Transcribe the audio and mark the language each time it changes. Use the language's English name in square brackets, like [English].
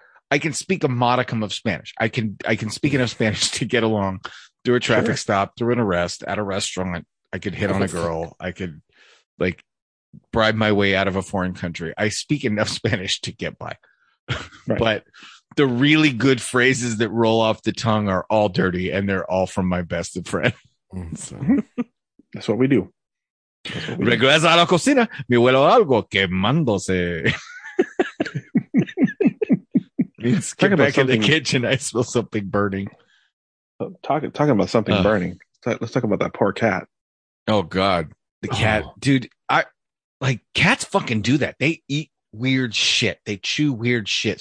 [English] I can speak a modicum of Spanish. I can speak enough Spanish to get along through a traffic stop, through an arrest, at a restaurant. I could hit on a girl. I could like bribe my way out of a foreign country. I speak enough Spanish to get by. Right. But the really good phrases that roll off the tongue are all dirty, and they're all from my bested friend. So. That's what we do. [Spanish] Regresa a la cocina, mi abuelo algo quemándose. [English] Let's get back in the kitchen. I smell something burning. Talking about something burning. Let's talk about that poor cat. Oh God, the cat, dude. I like cats. Fucking do that. They eat weird shit. They chew weird shit.